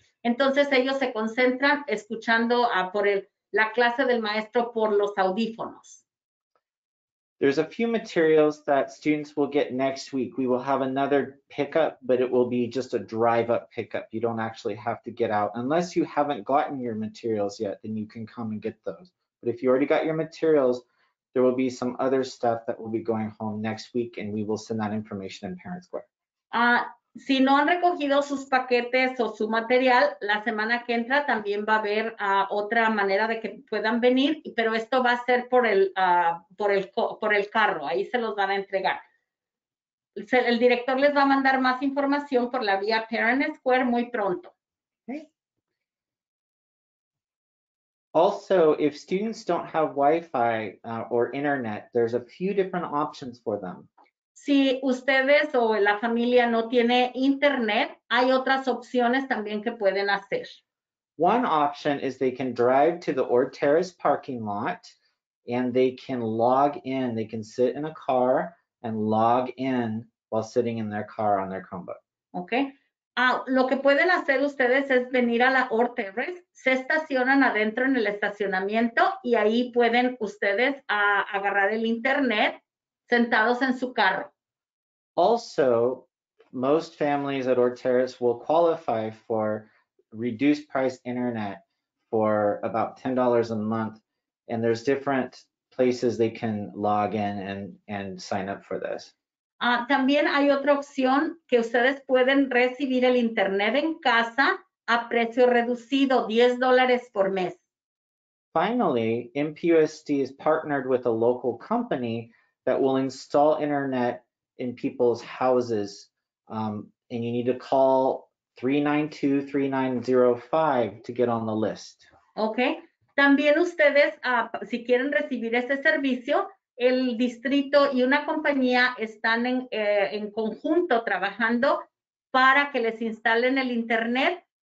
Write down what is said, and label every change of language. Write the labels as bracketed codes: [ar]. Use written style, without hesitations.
[es] Entonces ellos se concentran escuchando la clase del maestro por los audífonos. [en] There's a few materials that students will get next week. We will have another pickup, but it will be just a drive-up pickup. You don't actually have to get out. Unless you haven't gotten your materials yet, then you can come and get those. But if you already got your materials, there will be some other stuff that will be going home next week, and we will send that information in Parent Square. [es] Si no han recogido sus paquetes o su material, la semana que entra también va a haber otra manera de que puedan venir, pero esto va a ser por el carro, ahí se los van a entregar. El director les va a mandar más información por la vía Parent Square muy pronto. [en] Also, if students don't have Wi-Fi or internet, there's a few different options for them. [es] Si ustedes o la familia no tiene internet, hay otras opciones también que pueden hacer. [en] One option is they can drive to the Ord Terrace parking lot and they can log in. They can sit in a car and log in while sitting in their car on their Chromebook. Okay. [es] Lo que pueden hacer ustedes es venir a la Ord Terrace, se estacionan adentro en el estacionamiento y ahí pueden ustedes agarrar el internet sentados en su carro. [en] Also, most families at Ord Terrace will qualify for reduced price internet for about $10 a month. And there's different places they can log in and sign up for this. [es] También hay otra opción que ustedes pueden recibir el internet en casa a precio reducido, $10 por mes. [en] Finally, MPUSD is partnered with a local company that will install internet in people's houses. And you need to call 392-3905 to get on the list. Okay. [es] También ustedes, si quieren recibir este servicio, el distrito y una compañía están en conjunto trabajando para que les instalen el internet.